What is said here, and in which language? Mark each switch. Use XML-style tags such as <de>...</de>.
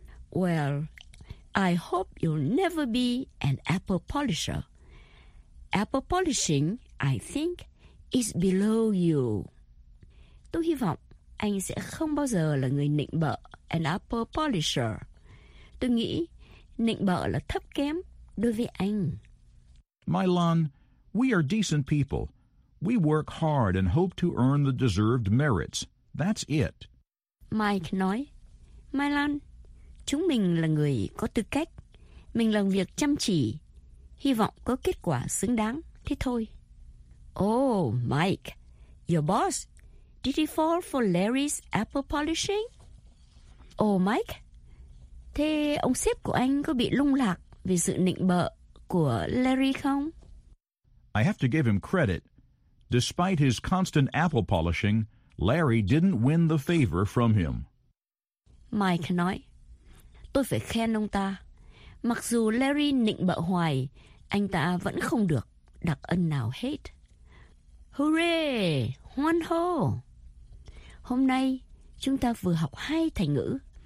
<en>Well, I hope you'll never be an apple polisher. Apple polishing, I think, is below you.</en> <vi>Tôi hy vọng anh sẽ không bao giờ là người nịnh bợ,</vi> <en>an apple polisher.</en> <vi>Tôi nghĩ nịnh bợ là thấp kém đối với anh.</vi> <en>Mylon, we are decent people. We work hard and hope to earn the deserved merits. That's it.</en> <vi>Mike nói, Mylon, chúng mình là người có tư cách. Mình làm việc chăm chỉ, hy vọng có kết quả xứng đáng, thế thôi.</vi> <en>Oh, Mike, your boss, did he fall for Larry's apple polishing?</en> <vi>Oh, Mike, thế ông sếp của anh có bị lung lạc vì sự nịnh bợ của Larry không?</vi> <en>I have to give him credit. Despite his constant apple polishing, Larry didn't win the favor from him.</en> <vi>Mike nói, tôi phải khen ông ta. Mặc dù Larry nịnh bợ hoài, anh ta vẫn không được đặc ân nào hết. Hooray! Hoan hô! Hôm nay, chúng ta vừa học hai thành ngữ.</vi>